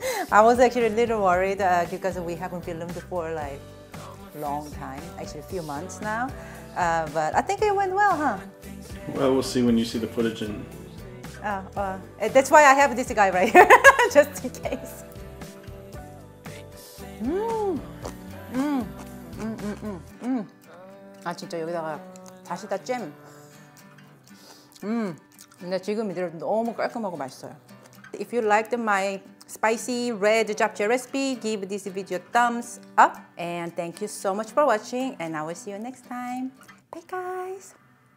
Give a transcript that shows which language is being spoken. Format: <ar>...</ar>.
<en>I was actually a little worried because we haven't filmed for like a long time, actually a few months now. But I think it went well, huh? Well, we'll see when you see the footage. And that's why I have this guy right here. Just in case.</en> <ko>Mmm. 아 진짜 여기다가 다시다 잼. 근데 지금 이대로 너무 깔끔하고 맛있어요.</ko> <en>If you liked my spicy red japchae recipe, give this video thumbs up. And thank you so much for watching, and I will see you next time. Bye guys!</en>